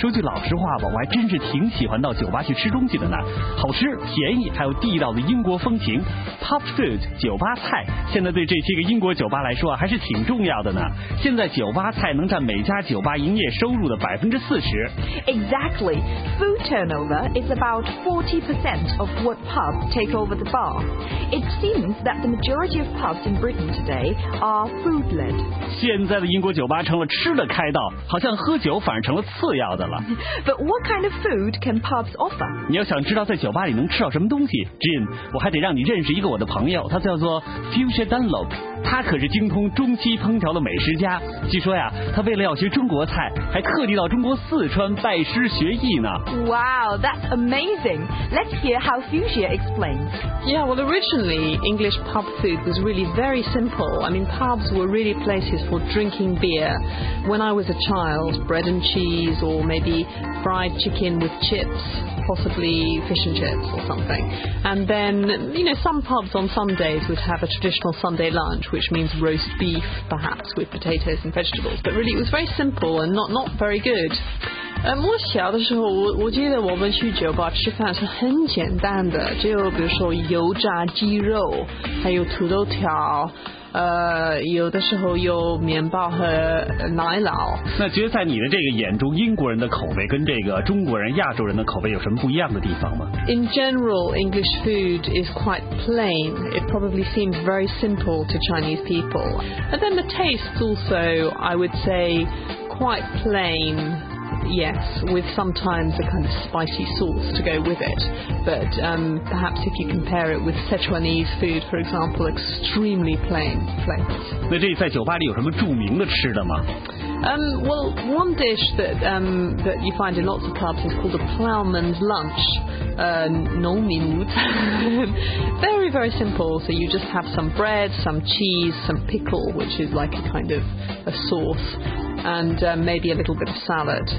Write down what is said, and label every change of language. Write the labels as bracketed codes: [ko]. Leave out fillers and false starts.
[zh] 说句老实话吧，我还真是挺喜欢到酒吧去吃东西的呢。好吃、便宜，还有地道的英国风情。 [en] Pub food, [zh] 酒吧菜，现在对这些个英国酒吧来说啊，还是挺重要的呢。现在酒吧菜能占每家酒吧营业收入的40%。 [en] Exactly. Food turnover is about 40% of what pubs take over the bar. It seems that the majority of pubs in Britain today are food-led. [zh] 现在的英国酒吧成了吃的开道，好像喝酒反而成了次要的了。 [en] But what kind of food can pubs offer? [zh] 你要想知道在酒吧里能吃到什么东西 ，Jim， 我还得让你认识一个我的朋友，他叫做 Fuchsia Dunlop。他可是精通中西烹调的美食家。据说呀，他为了要学中国菜，还特地到中国四川拜师学艺呢。 [en] Wow, that's amazing. Let's hear how Fuchsia explains. Yeah, well, originally English pub food was really very simple. I mean, pubs were really places for drinking beer. When I was a child, bread and cheese, or maybe fried chicken with chips. Possibly fish and chips or something. And then, you know, some pubs on some days would have a traditional Sunday lunch, which means roast beef, perhaps, with potatoes and vegetables. But really, it was very simple and not very good. [zh] 我小的时候我记得我们去酒吧吃饭是很简单的，就比如说油炸鸡肉，还有土豆条，有的时候有面包和奶酪。那觉得在你的这个眼中，英国人的口味跟这个中国人亚洲人的口味有什么不一样的地方吗？ [en] In general, English food is quite plain. It probably seems very simple to Chinese people. And then the tastes also, I would say, quite plain. Yes, with sometimes a kind of spicy sauce to go with it. But perhaps if you compare it with Sichuanese food, for example, extremely plain flavors. [zh] 那这在酒吧里有什么著名的吃的吗？ [en] Well, one dish that, that you find in lots of clubs is called a plowman's lunch. [zh] 农民午餐 [en] Very, very simple. So you just have some bread, some cheese, some pickle, which is like a kind of a sauce, and maybe a little bit of salad.